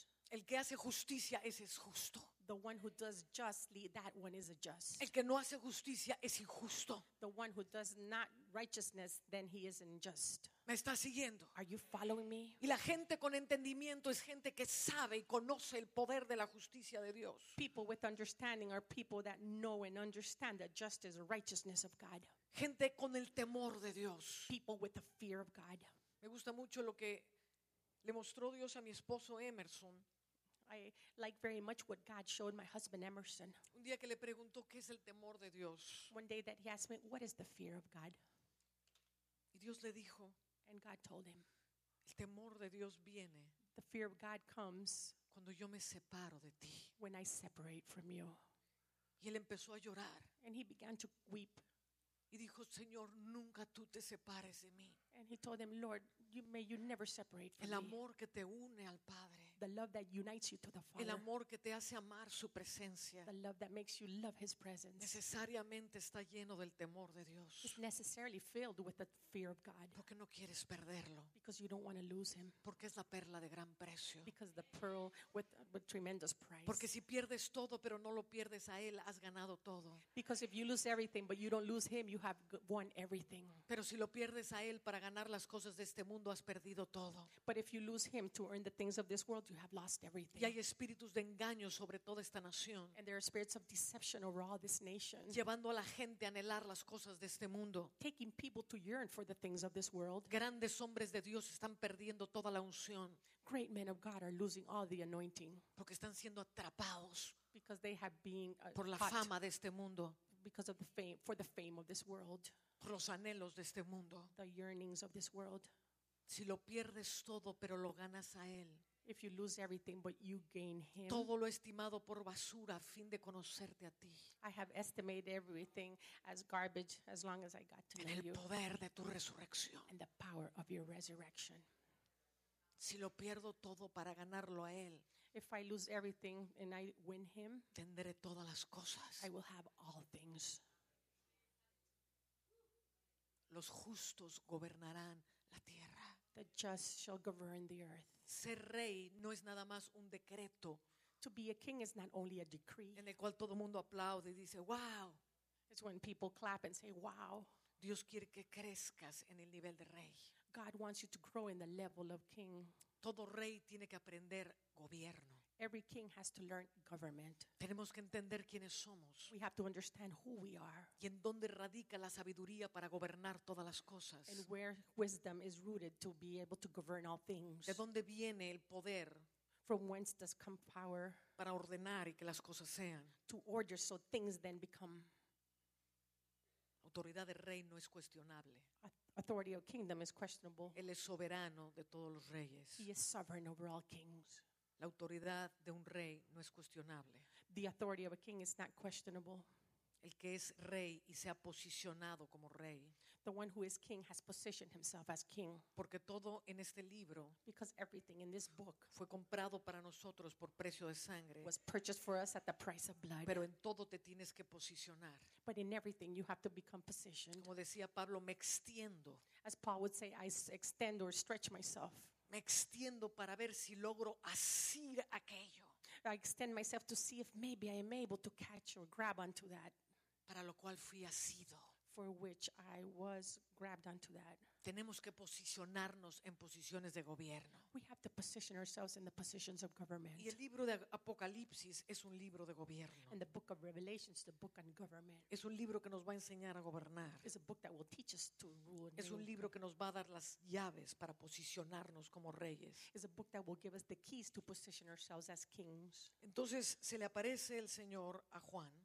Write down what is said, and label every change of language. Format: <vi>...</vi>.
<es>El que hace justicia, ese es justo.</es> <en>The one who does justly, that one is a just.</en> <es>El que no hace justicia es injusto.</es> <en>The one who does not righteousness, then he is unjust.</en> <es>¿Me está siguiendo?</es> <en>Are you following me?</en> <es>Y la gente con entendimiento es gente que sabe y conoce el poder de la justicia de Dios.</es> <en>People with understanding are people that know and understand that justice, righteousness of God.</en> <es>Gente con el temor de Dios.</es> <en>People with the fear of God.</en> <es>Me gusta mucho lo que le mostró Dios a mi esposo Emerson.</es> <en>I like very much what God showed my husband Emerson.</en> <es>Un día que le preguntó qué es el temor de Dios.</es> <en>One day that he asked me, what is the fear of God?</en> <es>Y Dios le dijo,</es> <en>and God told him,</en> <es>el temor de Dios viene,</es> <en>the fear of God comes,</en> <es>cuando yo me separo de ti,</es> <en>when I separate from you.</en> <es>Y él empezó a llorar,</es> <en>and he began to weep.</en> <es>Y dijo, Señor, nunca tú te separes de mí.</es> <en>And he told him, Lord, may you never separate from</en> <es>me. El amor que te une al Padre.</es> <en>The love that unites you to the Father.</en> <es>El amor que te hace amar su presencia.</es> <en>The love that makes you love his presence.</en> <es>Necesariamente está lleno del temor de Dios.</es> <en>It's necessarily filled with the fear of God.</en> <es>Porque no quieres perderlo.</es> <en>Because you don't want to lose him.</en> <es>Porque es la perla de gran precio.</es> <en>Because the pearl with tremendous price.</en> <es>Porque si pierdes todo pero no lo pierdes a él, has ganado todo.</es> <en>Because if you lose everything but you don't lose him, you have won everything.</en> <es>Pero si lo pierdes a él para ganar las cosas de este mundo has perdido todo.</es> <en>But if you lose him to earn the things of this world, you have lost everything.</en> <es>Y hay espíritus de engaño sobre toda esta nación.</es> <en>And there are spirits of deception over all this nation.</en> <es>Llevando a la gente a anhelar las cosas de este mundo.</es> <en>Taking people to yearn for the things of this world.</en> <es>Grandes hombres de Dios están perdiendo toda la unción.</es> <en>Great men of God are losing all the anointing.</en> <es>Porque están siendo atrapados.</es> <en>Because they have been</en> <es>por la fama de este mundo.</es> <en>Because of the fame, for the fame of this world.</en> <es>Por los anhelos de este mundo.</es> <en>The yearnings of this world.</en> <es>Si lo pierdes todo pero lo ganas a él,</es> <en>If you lose everything but you gain him.</en> <es>Todo lo estimado por basura a fin de conocerte a ti.</es> <en>I have estimated everything as garbage as long as I got to know you.</en> <es>En el poder de tu resurrección.</es> <en>And the power of your resurrection.</en> <es>Si lo pierdo todo para ganarlo a él.</es> <en>If I lose everything and I win him.</en> <es>Tendré todas las cosas.</es> <en>I will have all things.</en> <es>Los justos gobernarán la tierra.</es> <en>The just shall govern the earth.</en> <es>Ser rey no es nada más un decreto.</es> <en>To be a king is not only a decree.</en> <es>En el cual todo mundo aplaude y dice, wow.</es> <en>It's when people clap and say, wow.</en> <es>Dios quiere que crezcas en el nivel de rey.</es> <en>God wants you to grow in the level of king.</en> <es>Todo rey tiene que aprender gobierno.</es> <en>Every king has to learn government.</en> <es>Tenemos que entender quiénes somos.</es> <en>We have to understand who we are.</en> <es>Y en dónde radica la sabiduría para gobernar todas las cosas.</es> <en>And where wisdom is rooted to be able to govern all things.</en> <es>De dónde viene el poder.</es> <en>From whence does come power.</en> <es>Para ordenar y que las cosas sean.</es> <en>To order so things then become.</en> <es>Autoridad de rey no es cuestionable.</es> <en>Authority of kingdom is questionable.</en> <es>Él es soberano de todos los reyes.</es> <en>He is sovereign over all kings.</en> <es>La autoridad de un rey no es cuestionable.</es> <en>The authority of a king is not questionable.</en> <es>El que es rey y se ha posicionado como rey.</es> <en>The one who is king has positioned himself as king.</en> <es>Porque todo en este libro.</es> <en>Because everything in this book.</en> <es>Fue comprado para nosotros por precio de sangre.</es> <en>Was purchased for us at the price of blood.</en> <es>Pero en todo te tienes que posicionar.</es> <en>But in everything you have to become positioned.</en> <es>Como decía Pablo, me extiendo.</es> <en>As Paul would say, I extend or stretch myself.</en> <es>Me extiendo para ver si logro asir aquello.</es> <en>I extend myself to see if maybe I am able to catch or grab onto that.</en> <es>Para lo cual fui asido.</es> <en>For which I was grabbed onto that.</en> <es>Tenemos que posicionarnos en posiciones de gobierno.</es> <en>We have to position ourselves in the positions of government.</en> <es>Y el libro de Apocalipsis es un libro de gobierno.</es> <en>And the book of Revelation is the book on government.</en> <es>Es un libro que nos va a enseñar a gobernar.</es> <en>It's a book that will teach us to rule.</en> <es>Es un libro que nos va a dar las llaves para posicionarnos como reyes.</es> <en>It's a book that will give us the keys to position ourselves as kings.</en> <es>Entonces se le aparece el Señor a Juan.</es>